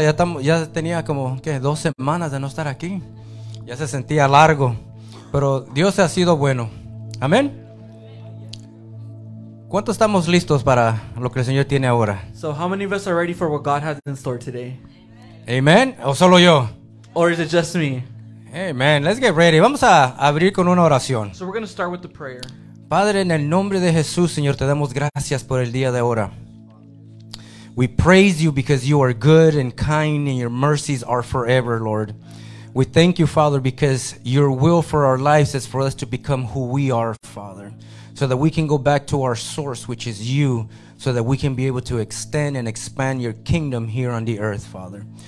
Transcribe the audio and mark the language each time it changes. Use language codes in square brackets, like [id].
[es] Ya tenía como que 2 semanas de no estar aquí. Ya se sentía largo, pero Dios ha sido bueno. Amén. ¿Cuántos estamos listos para lo que el Señor tiene ahora? [en] So how many of us are ready for what God has in store today? [es] Amen. ¿O solo yo? [en] Or is it just me? Amen. Let's get ready. [es] Vamos a abrir con una oración. [en] So we're going to start with the prayer. [es] Padre, en el nombre de Jesús, Señor, te damos gracias por el día de ahora. [en] We praise you because you are good and kind and your mercies are forever, Lord. We thank you, Father, because your will for our lives is for us to become who we are, Father, so that we can go back to our source, which is you, so that we can be able to extend and expand your kingdom here on the earth, Father.